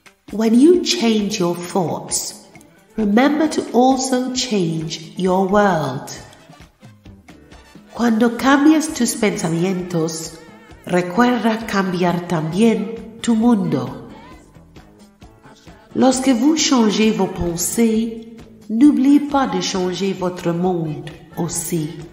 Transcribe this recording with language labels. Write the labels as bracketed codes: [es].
[en] When you change your thoughts, remember to also change your world. [es] Cuando cambias tus pensamientos, recuerda cambiar también tu mundo. [fr] Lorsque vous changez vos pensées, n'oubliez pas de changer votre monde aussi.